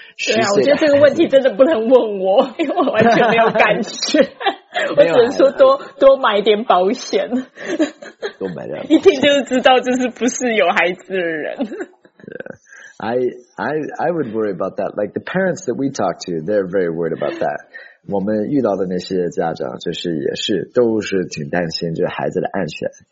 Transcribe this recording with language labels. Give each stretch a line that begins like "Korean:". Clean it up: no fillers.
Chinese: 对啊，我觉得这个问题真的不能问我，因为我完全没有感觉，我只能说多买点保险，多买点，一听就知道就是不是有孩子的人。
English: I would worry about that. Like the parents that we talk to, they're very worried about that.
Chinese: 我们遇到的那些家长就是也是都是挺担心就是孩子的安全，